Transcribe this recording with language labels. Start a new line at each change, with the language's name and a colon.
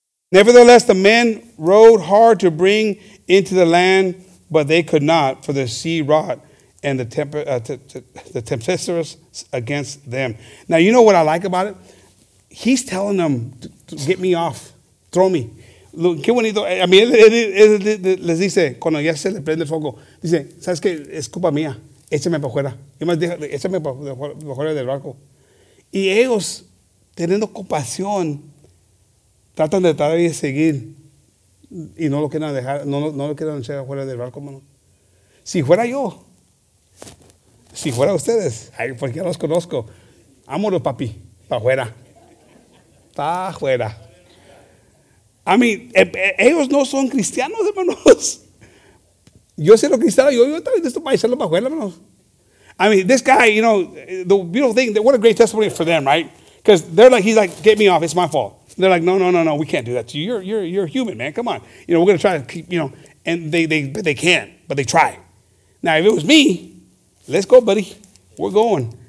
English: Nevertheless, the men rowed hard to bring into the land, but they could not, for the sea wrought. And the tempestuous against them. Now, you know what I like about it? He's telling them, get me off. Throw me.
Spanish: Qué bonito.
English: I mean,
Spanish: les dice, cuando ya se le prende el fuego, dice, ¿sabes qué? Es culpa mía. Échame para afuera. Y más, échame para afuera del barco. Y ellos, teniendo compasión, tratan de estar ahí a seguir. Y no lo quieren dejar, no lo quieren echar afuera del barco, mano. Si fuera yo. Si fuera ustedes, porque ya los conozco. Vámonos, papi, para afuera. Para afuera.
English: I mean,
Spanish: ellos no son cristianos, hermanos. Yo sé lo cristiano, yo también estoy para echarlo para afuera, hermanos.
English: I mean, this guy, you know, the beautiful thing, what a great testimony for them, right? Because they're like, he's like, get me off, it's my fault. They're like, no, we can't do that to you. You're human, man, come on. You know, we're going to try to keep, you know, and they can't, but they try. Now, if it was me, let's go, buddy. We're going.